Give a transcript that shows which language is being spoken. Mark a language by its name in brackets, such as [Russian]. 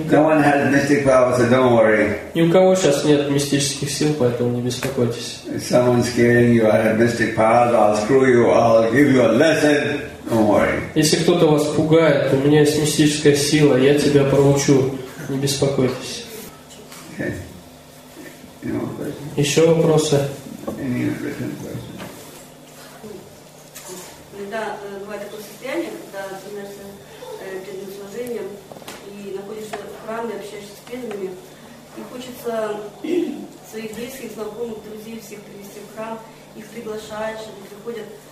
[English] No one has mystic power, so don't worry. [Russian] Ни у кого сейчас нет мистических сил, поэтому не беспокойтесь. [English] If someone's scaring you, I have mystic powers, I'll screw you, I'll give you a lesson. Don't worry. [Russian] Если кто-то вас пугает, у меня есть мистическая сила, я тебя проучу. Не беспокойтесь. [English] Okay. Any more questions? [Russian] Еще вопросы? [English] Any written questions? [Russian] Да, бывает такое состояние, когда, например, перед служением и находишься в храме, общаешься с преданными, и хочется своих близких, знакомых, друзей всех привести в храм, их приглашаешь, они приходят.